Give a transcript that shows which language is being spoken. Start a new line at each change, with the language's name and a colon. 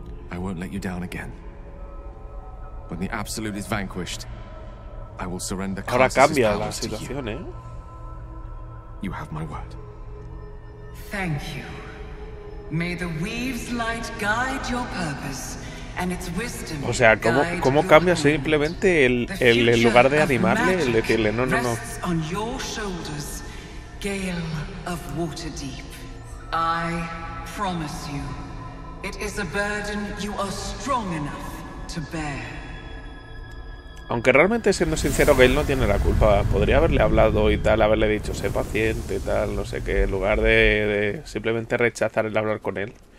English: I won't let you down again. When the Absolute is vanquished, I will surrender
Spanish: Carsus. Ahora cambia la situación, ¿eh?
English: You have my word. Thank you. May the weave's light guide your purpose and its wisdom.
Spanish: O sea, ¿cómo cambia simplemente el lugar de animarle, el decirle no.
English: On your shoulders, Gale of Waterdeep. I promise you, it is a burden you are strong enough to bear.
Spanish: Aunque realmente, siendo sincero, Gale no tiene la culpa. Podría haberle hablado y tal, haberle dicho, sé paciente y tal, no sé qué, en lugar de simplemente rechazar el hablar con él.